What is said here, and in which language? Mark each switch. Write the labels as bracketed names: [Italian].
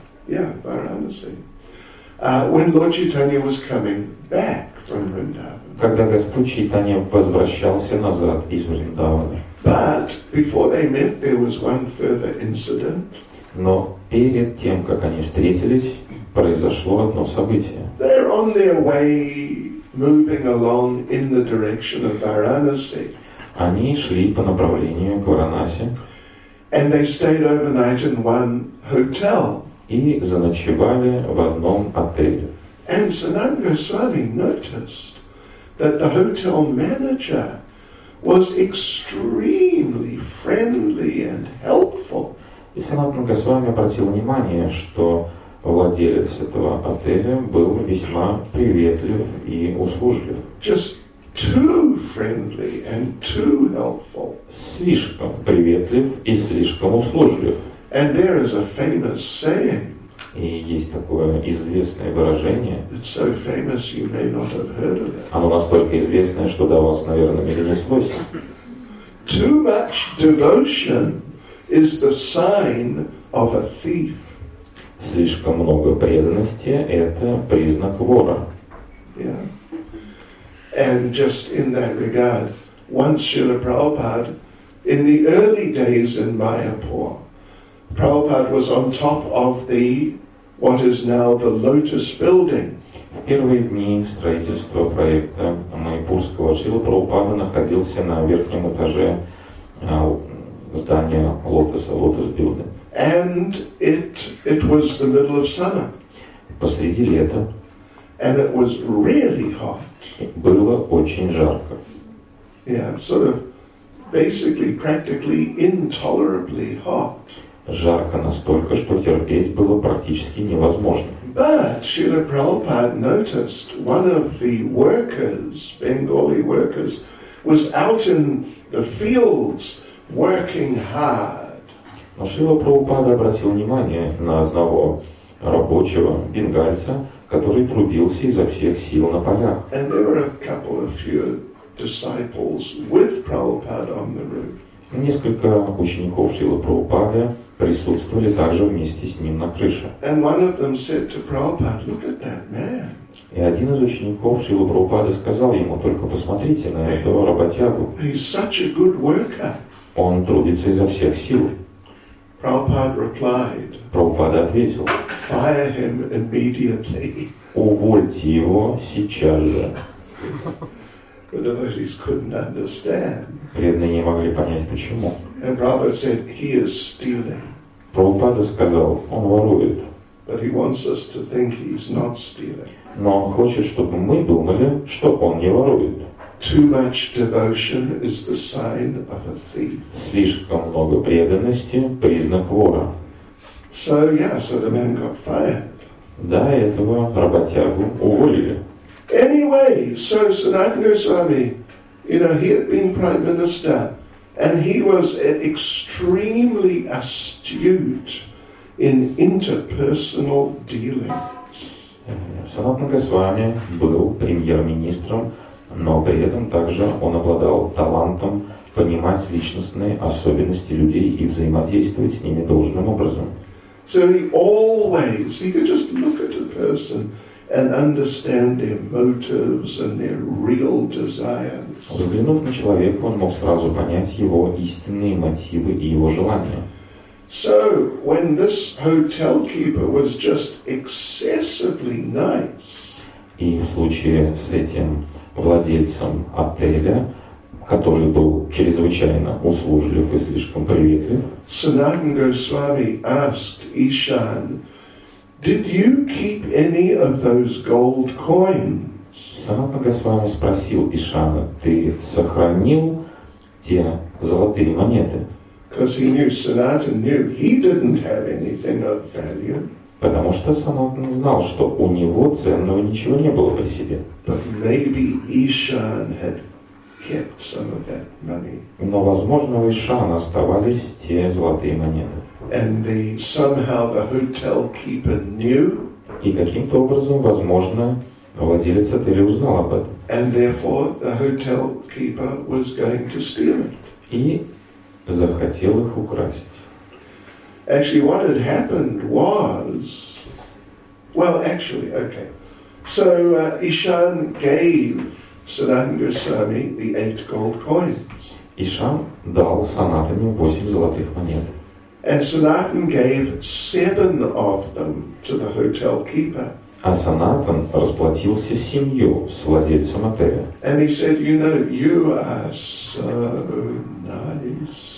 [English] When Lord Chaitanya was coming back from Vrindavan. [Russian] Когда Господь Чайтанья возвращался назад из Вриндавана. [English] But before they met, there was one further incident. [Russian] Но перед тем, как они встретились, произошло одно событие. [English] They're on their way, moving along in the direction of Varanasi. [Russian] Они шли по направлению к Варанаси. [English] And they stayed overnight in one hotel. [Russian] И заночевали в одном отеле. [English] And Sanatan Goswami noticed that the hotel manager was extremely friendly and helpful. [Russian] И Санатан Госвами обратил внимание, что владелец этого отеля был весьма приветлив и услужлив. [English] Just too friendly and too helpful. [Russian] Слишком приветлив и слишком услужлив. [English] And there is a famous saying. [Russian] И есть такое известное выражение. [English] It's so famous you may not have heard of it. [Russian] Оно настолько известное, что до вас, наверное, не донеслось. [English] Too much devotion is the sign of a thief. [Russian] Слишком много преданности – это признак вора. [English] Yeah. And just in that regard, once Srila Prabhupada, in the early days in Mayapur, Prabhupada was on top of the what is now the Lotus Building. [Russian] В первые дни строительства проекта Майпурского Шрила Прабхупада находился на верхнем этаже здания Лотоса, Lotus Building. [English] And it was the middle of summer. [Russian] Посреди лета. [English] And it was really hot. [Russian] Было очень жарко. [English] Yeah, sort of basically practically intolerably hot. [Russian] Жарко настолько, что терпеть было практически невозможно. [English] But Srila Prabhupada noticed one of the workers, Bengali workers, was out in the fields working hard. [Russian] Но Шрила Прабхупада обратил внимание на одного рабочего бенгальца, который трудился изо всех сил на полях. [English] And there were a couple of few disciples with Prabhupada on the roof. [Russian] Несколько учеников Шрилы Прабхупады присутствовали также вместе с ним на крыше. [English] And one of them said to Prabhupada, "Look at that man." [Russian] И один из учеников Шрилы Прабхупады сказал ему, только посмотрите на этого работягу. [English] He's such a good worker. [Russian] Он трудится изо всех сил. [English] Prabhupada replied. [Russian] Прабхупада ответил. [English] Fire him immediately. [Russian] Увольте его сейчас же. [English] The devotees couldn't understand. [Russian] Преданные не могли понять, почему. [English] And Prabhupada said, he is stealing. [Russian] Прабхупада сказал, он ворует. [English] But he wants us to think he's not stealing. [Russian] Но он хочет, чтобы мы думали, что он не ворует. [English] Too much devotion is the sign of a thief. [Russian] Слишком много преданности – признак вора. [English] So, yeah, so the man got fired. [Russian] Да, этого работягу уволили. [English] Anyway, so Sanatan Goswami, you know, he had been prime minister, and he was extremely astute in interpersonal dealings. [Russian] Sanatan Goswami был премьер-министром, но при этом также он обладал талантом понимать личностные особенности людей и взаимодействовать с ними должным образом. [English] So he always, he could just look at a person and understand their motives and their real desires. [Russian] Взглянув на человека, он мог сразу понять его истинные мотивы и его желания. [English] So, when this hotel keeper was just excessively nice, [Russian] и в случае с этим владельцем отеля, который был чрезвычайно услужлив и слишком приветлив, [English] Sanatan Goswami asked Ishan, did you keep any of those gold coins? [Russian] Санатан Госвами спросил Ишана, ты сохранил те золотые монеты? [English] Because he knew Sanatan knew he didn't have anything of value. [Russian] Потому что Санатан знал, что у него ценного ничего не было при себе. [English] But maybe Ishan had kept some of that money. [Russian] Но, возможно, у Ишана оставались те золотые монеты. [English] And they, somehow the hotel keeper knew. [Russian] И каким-то образом, возможно, владелец отеля узнал об этом. [English] And therefore the hotel keeper was going to steal it. [Russian] И захотел их украсть. [English] Actually, what had happened was, well, actually, okay. So Ishan gave Sanatan Goswami the 8 gold coins. [Russian] Ishan дал Санатане 8 золотых монет. [English] And Sanatan gave 7 of them to the hotel keeper. [Russian] А Санатан расплатился 7 с владельцем отеля. [English] And he said, you know, you are so nice.